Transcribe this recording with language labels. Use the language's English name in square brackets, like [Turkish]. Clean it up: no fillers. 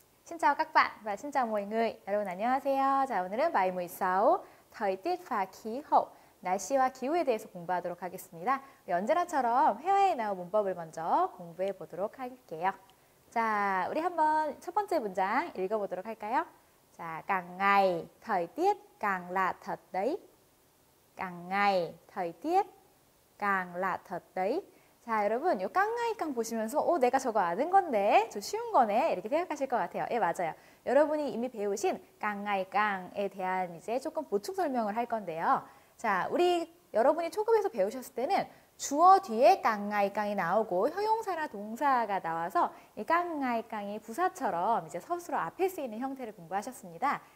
[Vietnamese] Xin chào các bạn và xin chào mọi người. [Korean] Hello, 안녕하세요. 자, 오늘은 bài 16, 더위 띠와 기호, 날씨와 기후에 대해서 공부하도록 하겠습니다. 언제나처럼 회화에 나온 문법을 먼저 공부해 보도록 할게요. 자, 우리 한번 첫 번째 문장 읽어보도록 할까요? [Vietnamese] 자, càng ngày thời tiết càng là thật đấy. càng ngày thời tiết càng là thật đấy. [Korean] 자, 여러분, 요 깡아이깡 보시면서 오, 내가 저거 아는 건데, 저 쉬운 거네 이렇게 생각하실 것 같아요. 예, 맞아요. 여러분이 이미 배우신 깡아이깡에 대한 이제 조금 보충 설명을 할 건데요. 자, 우리 여러분이 초급에서 배우셨을 때는 주어 뒤에 깡아이깡이 나오고 형용사나 동사가 나와서 이 깡아이깡이 부사처럼 이제 서술어 앞에 쓰이는 형태를 공부하셨습니다.